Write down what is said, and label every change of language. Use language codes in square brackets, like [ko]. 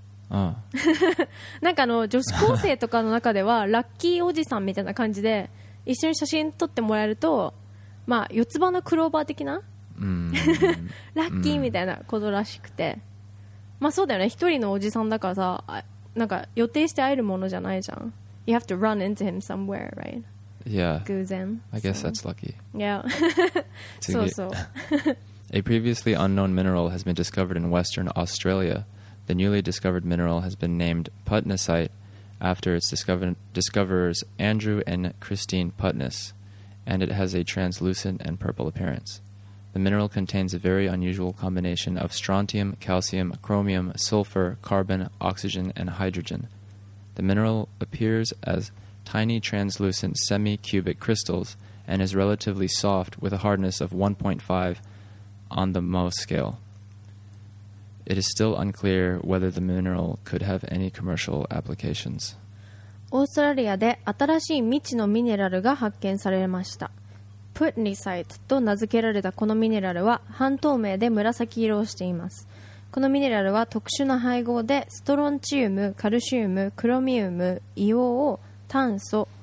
[ja] なんかあの女子高生とかの中ではラッキーおじさんみたいな感じで、一緒に写真撮ってもらえると、まあ四つ葉のクローバー的なラッキーみたいなことらしくて、まあそうだよね、一人のおじさんだからさ、なんか予定して会えるものじゃないじゃん。 [en] You have to run into him somewhere, right? Yeah. [ja] 偶然。 [en] I guess that's lucky. Yeah. [ja] そうそう。 [en] A previously unknown mineral has been discovered in Western Australia. The newly discovered mineral has been named putnessite after its discoverers Andrew and Christine Putness, and it has a translucent and purple appearance. The mineral contains a very unusual combination of strontium, calcium, chromium, sulfur, carbon, oxygen, and hydrogen. The mineral appears as tiny translucent semi-cubic crystals and is relatively soft with a hardness of 1.5 on the Mohs scale. It is still unclear whether the mineral could have any commercial applications. [ja] オーストラリアで新しい未知のミネラルが発見されました。プッニサイトと名付けられたこのミネラルは半透明で紫色をしています。このミネラルは特殊な配合でストロンチウム、カルシウム、クロミウム、硫黄、炭素、